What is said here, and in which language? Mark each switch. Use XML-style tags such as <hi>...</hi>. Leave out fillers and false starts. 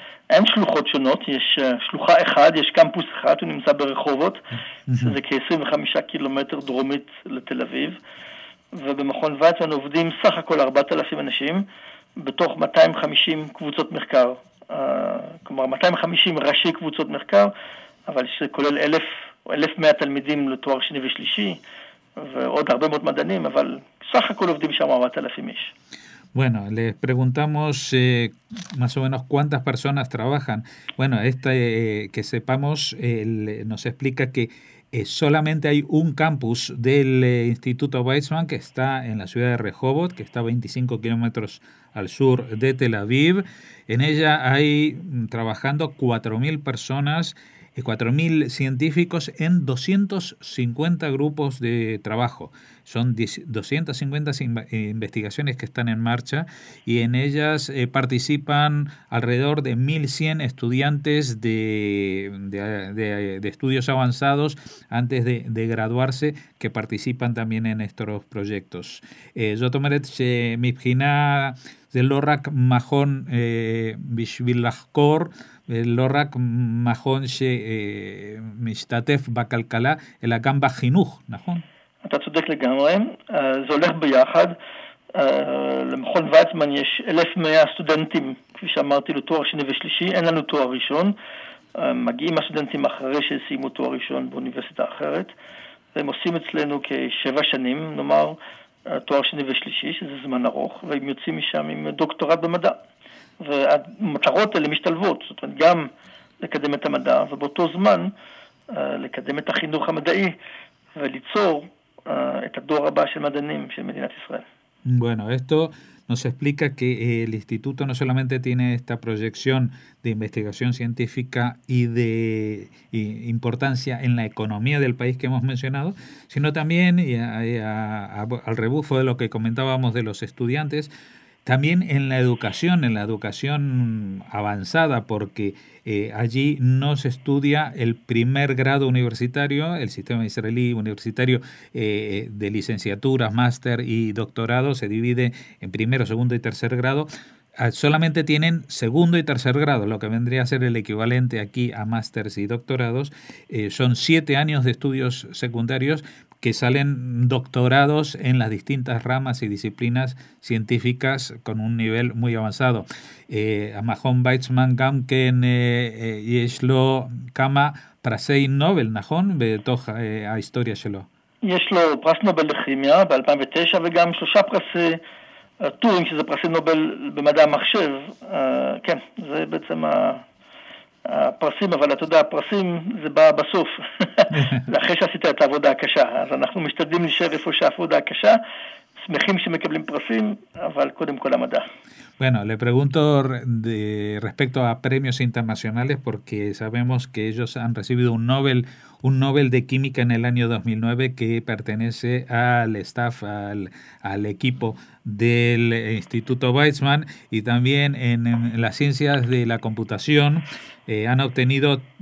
<he>אין שלוחות שונות, יש שלוחה אחד, יש קמפוס אחד, הוא נמצא ברחובות, זה כ-25 קילומטר דרומית לתל אביב, ובמכון ויצמן עובדים סך הכל 4,000 אנשים, בתוך 250 קבוצות מחקר, כלומר 250 ראשי קבוצות מחקר, אבל שכולל 1,000 או 1,100 תלמידים לתואר שני ושלישי, ועוד הרבה מאוד מדענים, אבל סך הכל עובדים שם 4,000 איש.</he> <es>Bueno, les preguntamos más o menos cuántas personas trabajan. Bueno, que sepamos, nos explica que solamente hay un campus del Instituto Weizmann que está en la ciudad de Rehovot, que está a 25 kilómetros al sur de Tel Aviv. En ella hay trabajando 4.000 personas, 4.000 científicos en 250 grupos de trabajo. Son 250 investigaciones que están en marcha y en ellas participan alrededor de 1.100 estudiantes de estudios avanzados antes de graduarse que participan también en estos proyectos.</es> <he>Zot omeret mibhina ze lo rak mahon bishvil lahkor, לא רק מכון שמשתתף בכלכלה, אלא גם בחינוך, נכון? אתה צודק לגמרי, זה הולך ביחד. למכון ויצמן יש 1,100 סטודנטים, כפי שאמרתי, לתואר שני ושלישי, אין לנו תואר ראשון. מגיעים הסטודנטים אחרי שסיימו תואר ראשון באוניברסיטה אחרת, והם עושים אצלנו כ-7 שנים, נאמר, תואר שני ושלישי, שזה זמן ארוך, והם יוצאים משם עם דוקטורט במדע. והמטרות האלה משתלבות, זאת אומרת, גם לקדם את המדע, ובאותו זמן לקדם את החינוך המדעי וליצור את הדור הבא של מדענים של מדינת ישראל.</he> <es>Bueno, esto nos explica que el instituto no solamente tiene esta proyección de investigación científica y de importancia en la economía del país que hemos mencionado, sino también, y al rebufo de lo que comentábamos de los estudiantes, también en la educación avanzada, porque allí no se estudia el primer grado universitario, el sistema israelí universitario de licenciaturas, máster y doctorado se divide en primero, segundo y tercer grado. Solamente tienen segundo y tercer grado, lo que vendría a ser el equivalente aquí a másteres y doctorados. Son 7 años de estudios secundarios que salen doctorados en las distintas ramas y disciplinas científicas con un nivel muy avanzado.</es> <he>המכון ויצמן גם כן יש לו כמה פרסי נובל, נכון? בתוך ההיסטוריה שלו. יש לו פרס נובל לכימיה ב-2009 וגם 3 פרסי טורינג, שזה פרסי נובל במדע המחשב, כן, זה בעצם הפרסים, אבל אתה יודע, הפרסים זה בא בסוף, אחרי שעשית את העבודה הקשה, אז אנחנו משתדלים להישאר איפה שהעבודה הקשה, שמחים שמקבלים פרסים, אבל קודם כל המדע.</he> <es>Bueno, le pregunto respecto a premios internacionales porque sabemos que ellos han recibido un Nobel de química en el año 2009 que pertenece al staff, al equipo del Instituto Weizmann y también en las ciencias de la computación han obtenido</es>